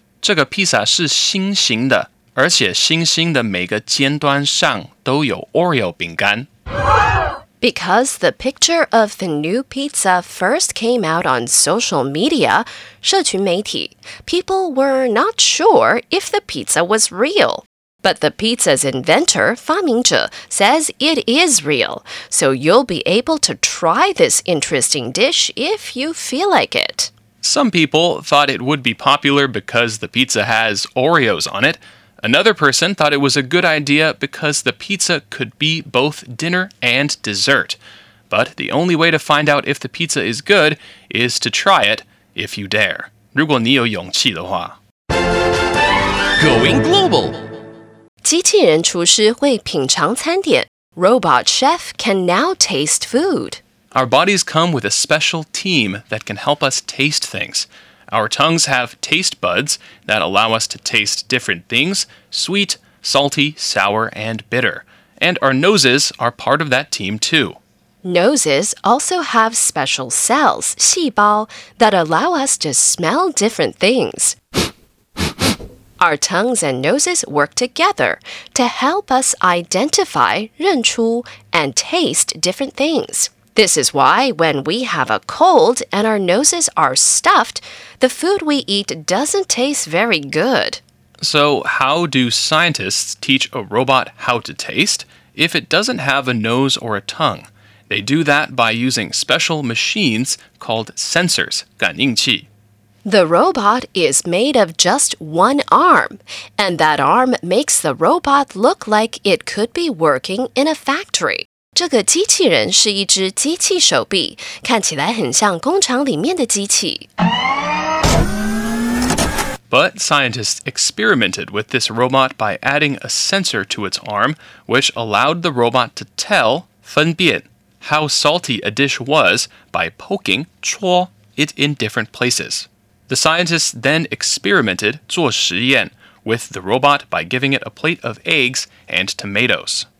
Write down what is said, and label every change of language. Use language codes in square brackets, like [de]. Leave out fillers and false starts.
[zh] 这个披萨是心形的，而且心形的每个尖端上都有 Oreo 饼干。 [en] Because the picture of the new pizza first came out on social media, [zh] 社群媒体, [en] people were not sure if the pizza was real. But the pizza's inventor, [zh] 发明者, [en] says it is real, so you'll be able to try this interesting dish if you feel like it. Some people thought it would be popular because the pizza has Oreos on it. Another person thought it was a good idea because the pizza could be both dinner and dessert. But the only way to find out if the pizza is good is to try it if you dare. [zh] 如果你有勇气的话。 [en] Going global! [zh] 机器人厨师会品尝餐点。 [en] Robot chef can now taste food. Our bodies come with a special team that can help us taste things. Our tongues have taste buds that allow us to taste different things, sweet, salty, sour, and bitter. And our noses are part of that team too. Noses also have special cells, [zh] 细胞, [en] that allow us to smell different things. Our tongues and noses work together to help us identify, [zh] 认出, [en] and taste different things. This is why when we have a cold and our noses are stuffed, the food we eat doesn't taste very good. So, how do scientists teach a robot how to taste if it doesn't have a nose or a tongue? They do that by using special machines called sensors, [zh] 感应器。 [en] The robot is made of just one arm, and that arm makes the robot look like it could be working in a factory. [zh] 这个机器人是一只机器手臂，看起来很像工厂里面的机器。 [en] But scientists experimented with this robot by adding a sensor to its arm, which allowed the robot to tell, [zh] 分辨, [en] how salty a dish was by poking, [zh] 戳, [en] it in different places. The scientists then experimented [zh] 做实验, [en] with the robot by giving it a plate of eggs and tomatoes.